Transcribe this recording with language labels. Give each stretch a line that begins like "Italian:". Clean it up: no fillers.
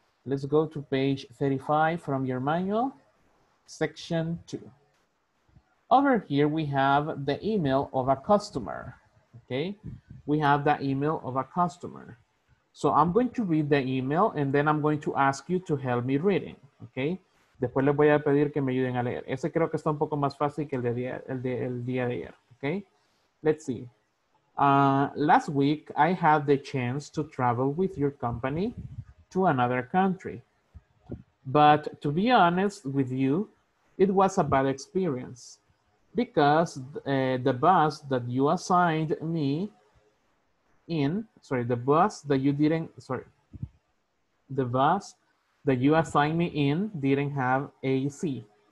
English: Let's go to page 35 from your manual, section 2. Over here, we have the email of a customer, ¿ok? We have the email of a customer. So I'm going to read the email and then I'm going to ask you to help me reading. Okay?
Spanish: Después les voy a pedir que me ayuden a leer. Ese creo que está un poco más fácil que el día de ayer.
English: Okay? Let's see. Last week, I had the chance to travel with your company to another country. But to be honest with you, it was a bad experience because the bus that you assigned me the bus that you assigned me in didn't have AC.